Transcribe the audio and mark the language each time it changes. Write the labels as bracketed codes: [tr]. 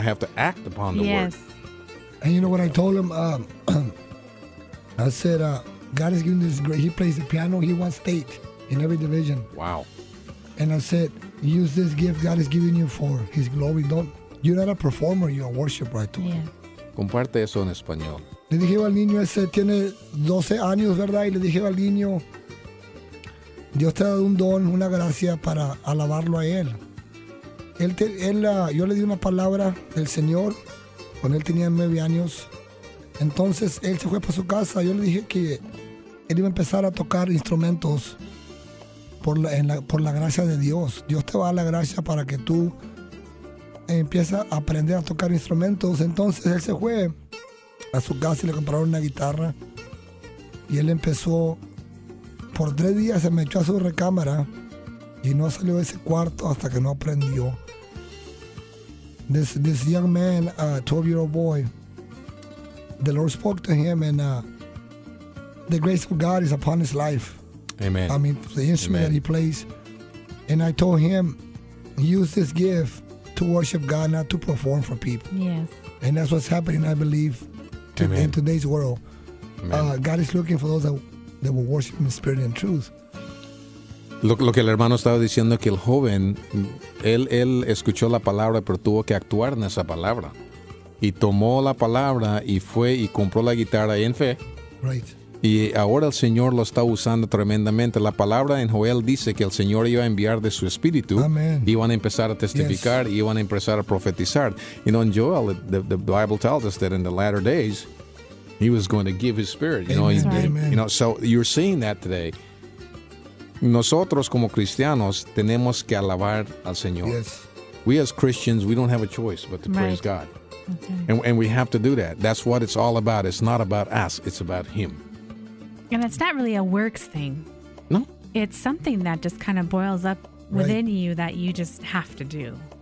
[en] I have to act upon the word. Yes. And you know what I told him? I said, God has given this grace. He plays the piano. He won state in every division. Wow. And I said, use this gift God has given you for His glory. You're not a performer. You're a worshiper, I told him. [es] Comparte eso en español. Le dije al niño, ese tiene 12 años, ¿verdad? Y le dije al niño, Dios te ha dado un don, una gracia para alabarlo a Él. Yo le di una palabra del Señor cuando él tenía 9 años. Entonces él se fue para su casa. Yo le dije que él iba a empezar a tocar instrumentos por la gracia de Dios. Dios te va a dar la gracia para que tú empieces a aprender a tocar instrumentos. Entonces él se fue a su casa y le compraron una guitarra. Y él empezó, por 3 días se metió a su recámara y no salió de ese cuarto hasta que no aprendió. [en] This young man, a 12-year-old boy, the Lord spoke to him, and the grace of God is upon his life. Amen. I mean, the instrument that he plays. And I told him, use this gift to worship God, not to perform for people. Yes. And that's what's happening, I believe, in today's world. God is looking for those that will worship Him in spirit and truth. [es] Lo que el hermano estaba diciendo, que el joven, él escuchó la palabra, pero tuvo que actuar en esa palabra. Y tomó la palabra y fue y compró la guitarra en fe. [en] Right. [es] Y ahora el Señor lo está usando tremendamente. La palabra en Joel dice que el Señor iba a enviar de su espíritu. [en] Amen. [es] Iban a empezar a testificar, [en] yes. [es] Iban a empezar a profetizar. [en] You know, in Joel, the Bible tells us that in the latter days, he was going to give his spirit. You Amen. Know, right. You know, so you're seeing that today. [es] Nosotros como cristianos tenemos que alabar al Señor. [en] Yes. We as Christians, we don't have a choice but to right. praise God. Okay. And we have to do that. That's what it's all about. It's not about us. It's about Him. And it's not really a works thing. No. It's something that just kind of boils up within right. you that you just have to do.